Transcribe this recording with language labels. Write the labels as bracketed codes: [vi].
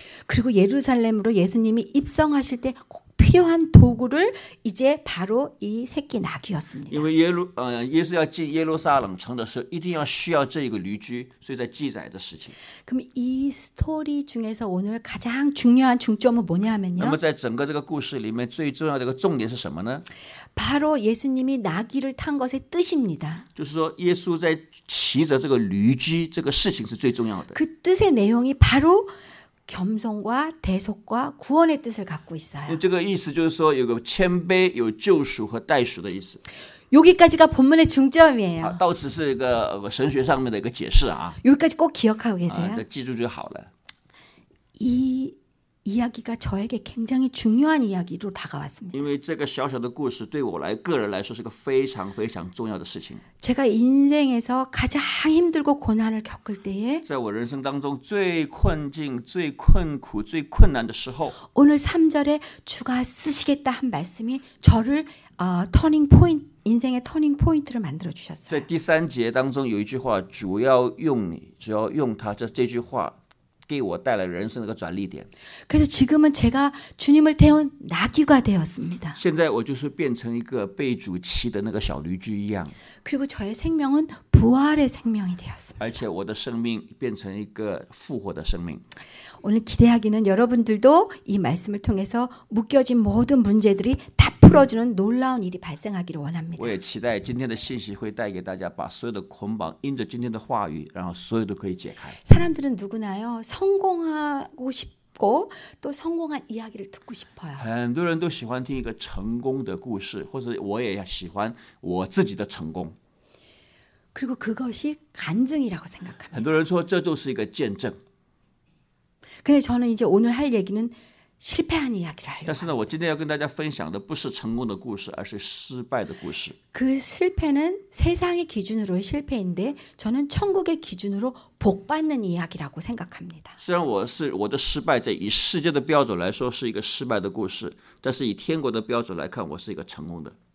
[ko] 그리고예루살렘으로예수님이입성하실때꼭필요한도구를이제바로이새끼나귀였습니다 [zh] 因为예수要进耶路撒冷城的时候一定要需要这一个驴驹所以在记载的事情 [ko] 그럼이스토리중에서오늘가장중요한중점은뭐냐면요 [zh] 那么在整个这个故事里面最重要的一个重点是什么呢 [ko] 바로예수님이나귀를탄것의뜻입니다 [zh] 就是说耶稣在骑着这个驴驹这个事情是最重要的 [ko] 그뜻의내용이바로겸손과대속과구원의뜻을갖고있어요 [zh] 这个意思就是说有个谦卑有救赎和代赎的意思 [ko] 여기까지가본문의중점이에요 [zh] 到此是一个神学上面的一个解释啊 [ko] 여기까지꼭기억하고계세요 [zh] 记住就好了 [ko] 이이야기가저에게굉장히중요한이야기로다가왔습니다 [zh] 因为这个小小的故事对我来个人来说是个非常非常重要的事情 [ko] 제가인생에서가장힘들고고난을겪을때에 [zh] 在我人生当中最困境最困苦最困难的时候 [ko] 오늘3절에주가쓰시겠다한말씀이저를터닝포인트인생의터닝포인트를만들어주셨어요 [zh] 在第三节当中有一句话主要用你主要用他这句话给我带来人生的一个转捩点 [ko] 그래서지금은제가주님을태운나귀가되었습니다 [zh] 现在我就是变成一个被主骑的那个小驴驹一样 [ko] 그리고저의생명은부활의생명이되었습니다 [zh] 而且我的生命变成一个复活的生命 [ko] 오늘기대하기는여러분들도이말씀을통해서묶여진모든문제들이다풀어주는놀라운일이발생하기를원합니다 [zh] 我也期待今天的信息会带给大家把所有的捆绑因着今天的话语然后所有都可以解开 [ko] 사람들은누구나요성공하고싶고또성공한이야기를듣고싶어요 [zh] 很多人都喜欢听一个成功的故事或者我也喜欢我自己的成功 [ko] 그리고그것이간증이라고생각합니다 [zh] 很多人说这就是一个见证 [ko] 근데저는이제오늘할얘기는 실패한이야기를하려고 [zh] 但是呢我今天要跟大家分享的不是成功的故事而是失败的故事 [ko] 그실패는세상의기준으로의실패인데저는천국의기준으로복받는이야기라고생각합니다 [zh] 虽然我的失败在以世界的标准来说是一个失败的故事但是以天国的标准来看我是一个成功的